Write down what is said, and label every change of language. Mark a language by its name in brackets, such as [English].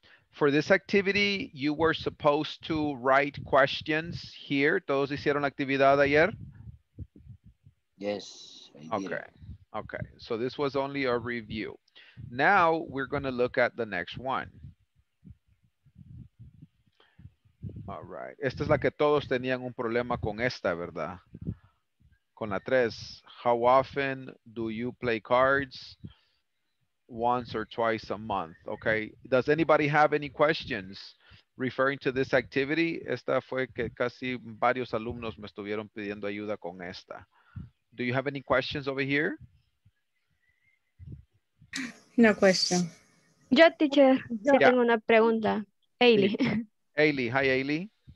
[English] For this activity, you were supposed to write questions here. [Spanish] ¿Todos hicieron la actividad ayer? [English] Yes. Okay. Okay. So this was only a review. Now we're going to look at the next one. All right. [Spanish] Esta es la que todos tenían un problema con esta, ¿verdad? Con la tres. [English] How often do you play cards? Once or twice a month, okay? Does anybody have any questions referring to this activity? [Spanish] Esta fue que casi varios alumnos me estuvieron pidiendo ayuda con esta. [English] Do you have any questions over here? No question. [Spanish] Yo, teacher, yo yeah. Tengo una pregunta. Ailey. [English] Ailey, hi, Ailey.